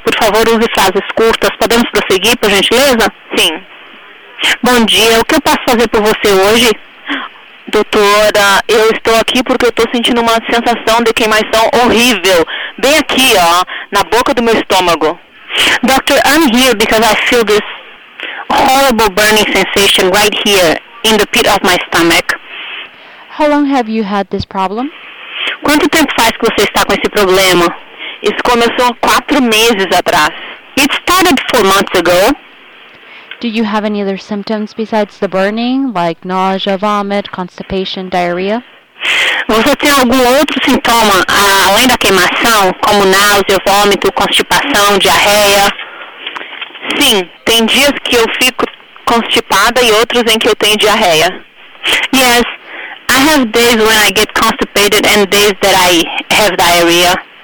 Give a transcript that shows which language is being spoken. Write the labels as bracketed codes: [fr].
[pt] Por favor, use frases curtas. Podemos prosseguir, por gentileza? Sim. Bom dia. O que eu posso fazer por você hoje? Doutora, eu estou aqui porque eu estou sentindo uma sensação de queimação horrível. Bem aqui, ó, na boca do meu estômago. [en] Doctor, I'm here because I feel this horrible burning sensation right here in the pit of my stomach. How long have you had this problem? [pt] Quanto tempo faz que você está com esse problema? Isso começou 4 meses atrás. [en] It started 4 months ago. Do you have any other symptoms besides the burning, like nausea, vomit, constipation, diarrhea? [pt] Você tem algum outro sintoma, além da queimação, como náusea, vômito, constipação, diarreia? Sim, tem dias que eu fico constipada e outros em que eu tenho diarreia. [en] Yes. I have days when I get constipated and days that I have diarrhea.